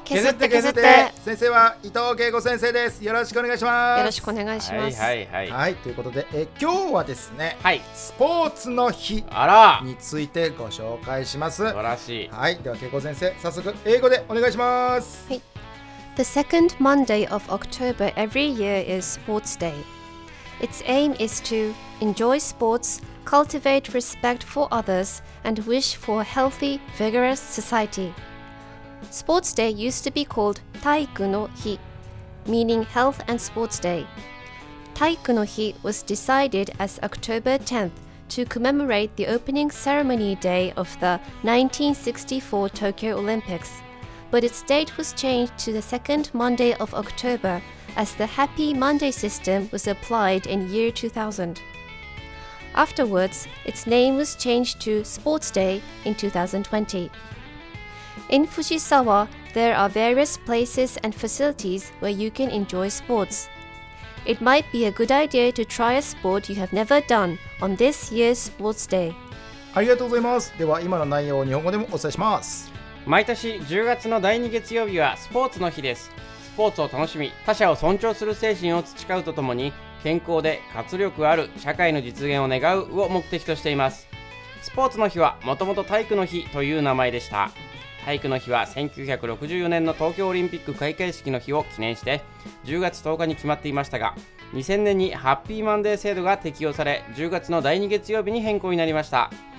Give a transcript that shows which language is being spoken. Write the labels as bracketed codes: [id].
[ja] 削って削って。先生は伊藤恵子先生です。よろしくお願いします。よろしくお願いします。はいはいはい、はい、ということで、今日はですね、はい、スポーツの日についてご紹介します。素晴らしい。はい、では恵子先生、早速英語でお願いします。はい。 [en] The second Monday of October every year is Sports Day. Its aim is to enjoy sportsCultivate respect for others and wish for a healthy, vigorous society. Sports Day used to be called 体育の日, meaning Health and Sports Day. 体育の日 was decided as October 10th to commemorate the opening ceremony day of the 1964 Tokyo Olympics, but its date was changed to the second Monday of October as the Happy Monday system was applied in year 2000. Afterwards, its name was changed to Sports Day in 2020. In Fujisawa, there are various places and facilities where you can enjoy sports. It might be a good idea to try a sport you have never done on this year's Sports Day. [ja] ありがとうございます。では今の内容を日本語でもお伝えします。毎年10月の第2月曜日はスポーツの日です。スポーツを楽しみ、他者を尊重する精神を培うとともに、健康で活力ある社会の実現を願うを目的としています。スポーツの日はもともと体育の日という名前でした。体育の日は1964年の東京オリンピック開会式の日を記念して10月10日に決まっていましたが、2000年にハッピーマンデー制度が適用され10月の第2月曜日に変更になりました。